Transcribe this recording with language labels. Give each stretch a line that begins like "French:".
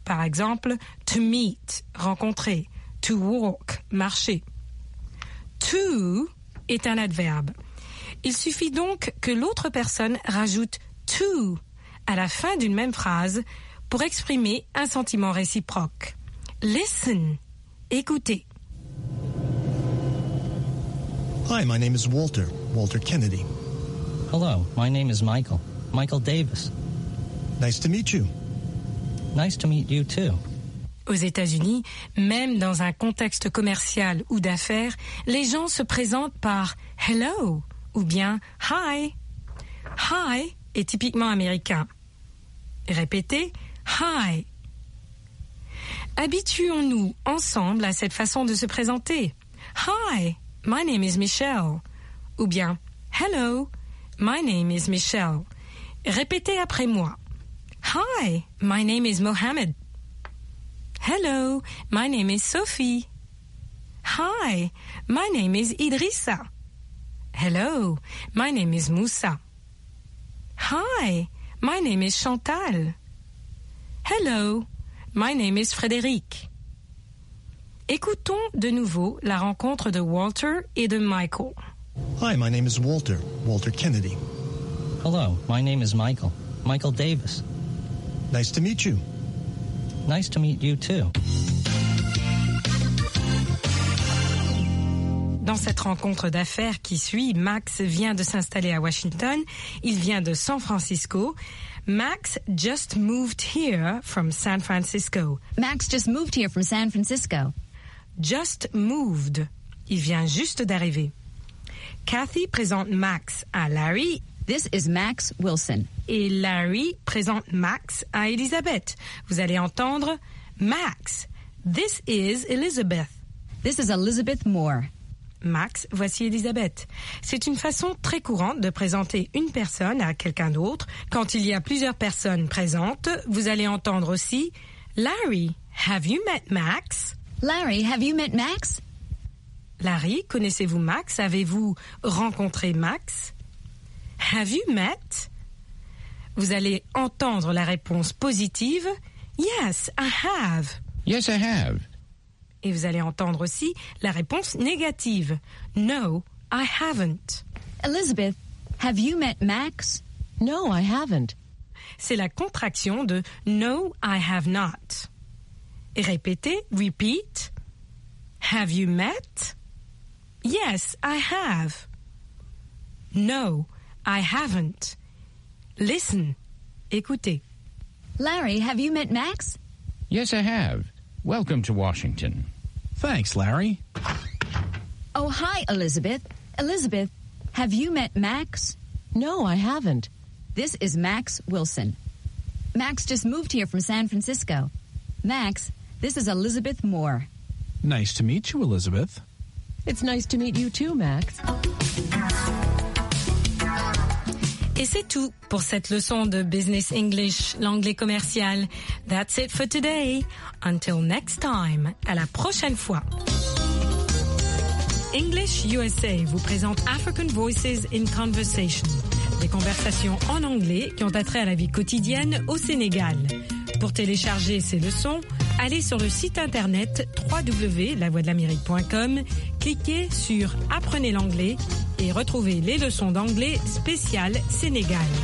French: Par exemple, to meet, rencontrer. To walk, marcher. To est un adverbe. Il suffit donc que l'autre personne rajoute to à la fin d'une même phrase pour exprimer un sentiment réciproque.
English: Listen, écoutez. Hi, my name is Walter, Walter Kennedy. Hello, my name is Michael, Michael Davis. Nice to meet you. Nice to meet you too.
French: Aux États-Unis, même dans un contexte commercial ou d'affaires, les gens se présentent par « hello » ou bien « hi ».« Hi » est typiquement américain. Répétez « hi ». Habituons-nous ensemble à cette façon de se présenter.
English: « Hi, my name is Michelle »
French: ou bien
English: « hello, my name is Michelle ».
French: Répétez après moi.
English: « Hi, my name is Mohammed ». Hello, my name is Sophie. Hi, my name is Idrissa. Hello, my name is Moussa. Hi, my name is Chantal. Hello, my name is Frédéric.
French: Écoutons de nouveau la rencontre de Walter et de Michael. Hi, my name is Walter, Walter Kennedy. Hello, my name is Michael, Michael Davis. Nice to meet you. Nice to meet you too. Dans cette rencontre d'affaires qui suit, Max vient de s'installer à Washington. Il vient de San Francisco.
English: Max just moved here from San Francisco. Max just moved here from San Francisco. Just moved.
French: Il vient juste d'arriver. Kathy présente Max à Larry.
English: This is Max Wilson.
French: Et Larry présente Max à Elizabeth. Vous allez entendre Max.
English: This is Elizabeth. This is Elizabeth Moore.
French: Max, voici Elizabeth. C'est une façon très courante de présenter une personne à quelqu'un d'autre. Quand il y a plusieurs personnes présentes, vous allez entendre aussi
English: Larry, have you met Max? Larry, have you met Max?
French: Larry, connaissez-vous Max? Avez-vous rencontré Max?
English: Have you met?
French: Vous allez entendre la réponse positive.
English: Yes, I have. Yes, I have.
French: Et vous allez entendre aussi la réponse négative.
English: No, I haven't. Elizabeth, have you met Max? No, I haven't.
French: C'est la contraction de
English: no, I have not.
French: Et répétez,
English: repeat. Have you met? Yes, I have. No, I haven't. Listen. Écoutez. Larry, have you met Max? Yes, I have. Welcome to Washington. Thanks, Larry. Oh, hi, Elizabeth. Elizabeth, have you met Max? No, I haven't. This is Max Wilson. Max just moved here from San Francisco. Max, this is Elizabeth Moore. Nice to meet you, Elizabeth. It's nice to meet you too, Max.
French: Et c'est tout pour cette leçon de Business English, l'anglais commercial.
English: That's it for today. Until next time.
French: À la prochaine fois. English USA vous présente African Voices in Conversation, des conversations en anglais qui ont attrait à la vie quotidienne au Sénégal. Pour télécharger ces leçons, allez sur le site internet www.lavoixdelamérique.com, cliquez sur « Apprenez l'anglais » et retrouvez les leçons d'anglais spéciales Sénégal.